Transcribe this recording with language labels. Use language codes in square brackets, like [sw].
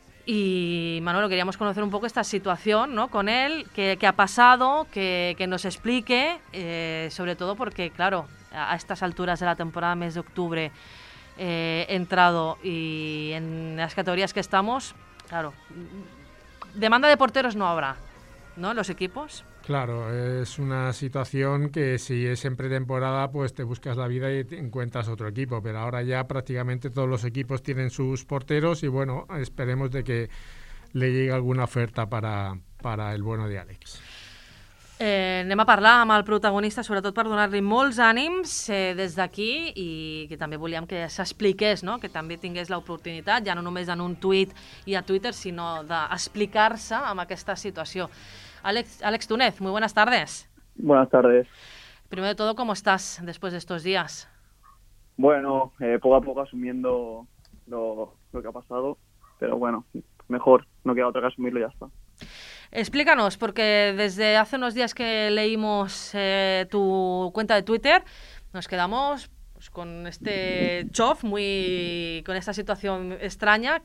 [es] Y Manolo, queríamos conocer un poco esta situación, ¿no?, con él, qué ha pasado, que nos explique, sobre todo porque, claro, a estas alturas de la temporada, mes de octubre, entrado y en las categorías que estamos, claro, demanda de porteros no habrá, ¿no?, los equipos. Claro, es una situación que si es en pretemporada, pues te buscas la vida y te encuentras otro equipo, pero ahora ya prácticamente todos los equipos tienen sus porteros y bueno, esperemos de que le llegue alguna oferta para el bueno de Alex. [ca] Anem a parlar amb el protagonista, sobretot per donar-li molts ànims des d'aquí, i que també volíem que s'expliqués, no?, que també tingués l'oportunitat, ja no només en un tuit i a Twitter, sinó d'explicar-se amb aquesta situació. [es] Àlex Túnez, muy buenas tardes. Buenas tardes. Primero de todo, ¿cómo estás después de estos días? Bueno, poco a poco asumiendo lo que ha pasado, pero bueno, mejor, no queda otra que asumirlo y ya está. Explícanos, porque desde hace unos días que leímos tu cuenta de Twitter, nos quedamos pues, con este chof, con esta situación extraña.